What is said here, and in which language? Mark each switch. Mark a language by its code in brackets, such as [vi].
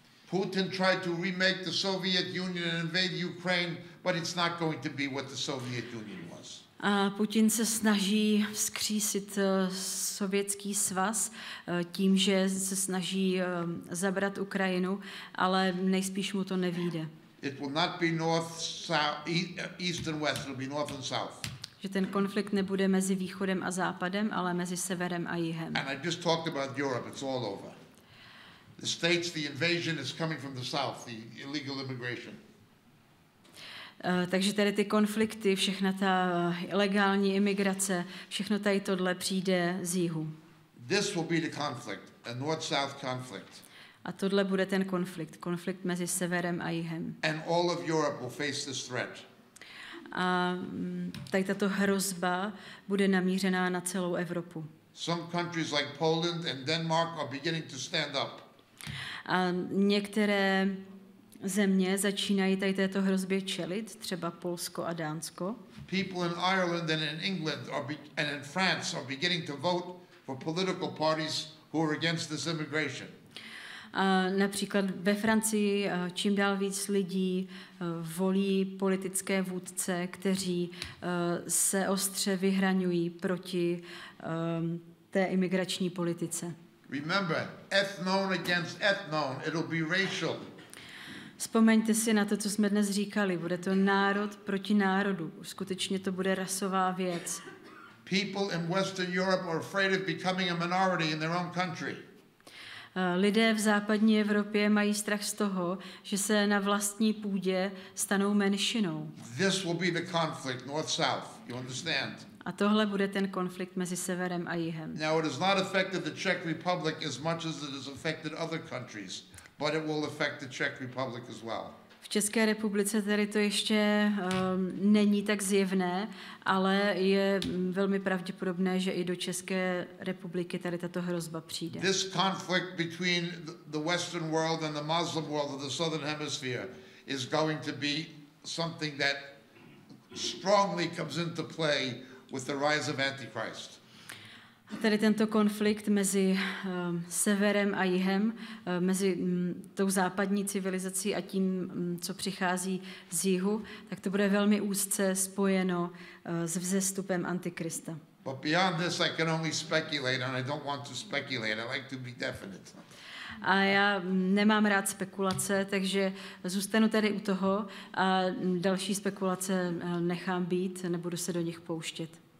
[en] Putin tried to remake the Soviet Union and invade Ukraine, but it's not going to be what the Soviet Union was. [cs] A Putin se snaží vzkřísit Sovětský svaz tím, že se snaží zabrat Ukrajinu, ale nejspíš mu to nevyjde. [en] It will not be north, south, east and west, it will be north and south. [cs] Že ten konflikt nebude mezi východem a západem, ale mezi severem a jihem. [en] And I just talked about Europe, it's all over. The states, the invasion is coming from the south, the illegal immigration. [cs] Takže tady ty konflikty, všechna ta ilegální imigrace, všechno tady tohle přijde z jihu. [en] This will be the conflict, a north-south conflict. [cs] A tohle bude ten konflikt, konflikt mezi severem a jihem. [en] And all of Europe will face this threat. [cs] A tady tato hrozba bude namířená na celou Evropu. [en] Some countries like Poland and Denmark are beginning to stand up. [cs] A některé země začínají tady této hrozbě čelit, třeba Polsko a Dánsko. [en] People in Ireland and in England and in France are beginning to vote for political parties who are against this immigration. [cs] A například ve Francii čím dál víc lidí volí politické vůdce, kteří se ostře vyhraňují proti té imigrační politice. [en] Remember, ethnon against ethnon, it'll be racial. [cs] Vzpomeňte si na to, co jsme dnes říkali. Bude to národ proti národu. Skutečně to bude rasová věc. [en] People in Western Europe are afraid of becoming a minority in their own country. [cs] Lidé v západní Evropě mají strach z toho, že se na vlastní půdě stanou menšinou. [en] This will be the conflict, north-south. You understand? [cs] A tohle bude ten konflikt mezi severem a jihem. [en] Now it has not affected the Czech Republic as much as it has affected other countries, but it will affect the Czech Republic as well. [cs] V České republice tady to ještě není tak zjevné, ale je velmi pravděpodobné, že i do České republiky tady tato hrozba přijde. [en] This conflict between the Western world and the Muslim world of the Southern Hemisphere is going to be something that strongly comes into play with the rise of Antichrist. [cs] Tady tento konflikt mezi severem a jihem, mezi tou západní civilizací a tím, co přichází z jihu, tak to bude velmi úzce spojeno s vzestupem Antikrista. [en] But beyond this I can only speculate and I don't want to speculate. I like to be definite. [cs] A já nemám rád spekulace, takže zůstanu tady u toho a další spekulace nechám být, nebudu se do nich pouštět.